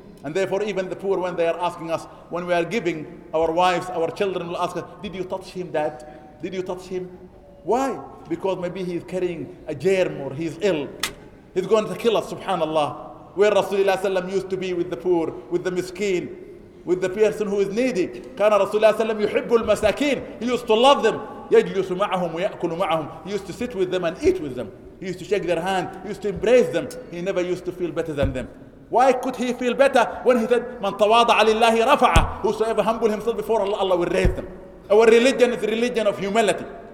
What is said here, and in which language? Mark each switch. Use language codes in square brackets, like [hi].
[en] And therefore, even the poor, when they are asking us, when we are giving, our wives, our children will ask us, did you touch him, dad? Did you touch him? Why? Because maybe he is carrying a germ or he is ill. He's going to kill us, subhanallah. Where Rasulullah sallam used to be with the poor, with the miskeen, with the person who is needy. [ar] كان Rasulullah sallam يحب المساكين. [en] He used to love them. [ar] يجلس معهم ويأكل معهم. [en] He used to sit with them and eat with them. He used to shake their hand. He used to embrace them. He never used to feel better than them. Why could he feel better when he said, [ar] من تواضع لله رفعه. [en] Whosoever humble himself before Allah, Allah will raise them. Our religion is a religion of humility.